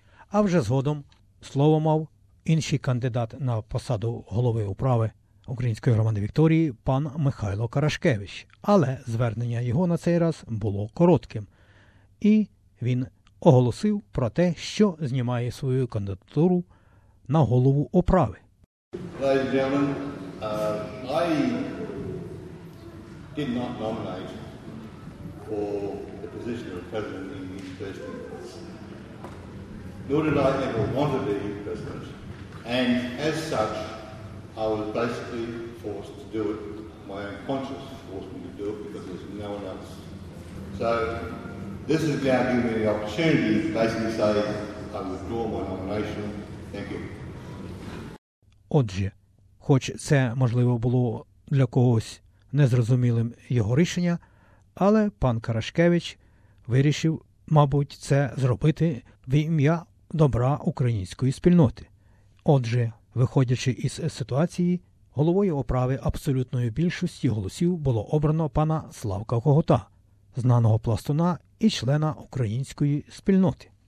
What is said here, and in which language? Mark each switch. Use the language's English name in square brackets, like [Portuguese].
[Ukrainian] А вже згодом слово мав інший кандидат на посаду голови управи Української громади Вікторії, пан Михайло Карашкевич. Але звернення його на цей раз було коротким. І він оголосив про те, що знімає свою кандидатуру на голову управи. [English] Ladies and gentlemen, I did not nominate for the position of president in the university. Nor did I ever want to be president. And as such, I was basically forced to do it. My own conscience forced me to do it because there's no one else. So this is now giving me the opportunity to basically say I withdraw my nomination. Thank you. [Ukrainian] Отже, хоч це можливо було для когось незрозумілим його рішення, але пан Карашкевич вирішив, мабуть, це зробити в ім'я добра української спільноти. Отже, виходячи із ситуації, головою управи абсолютної більшості голосів було обрано пана Славка Когота, знаного пластуна і члена української спільноти.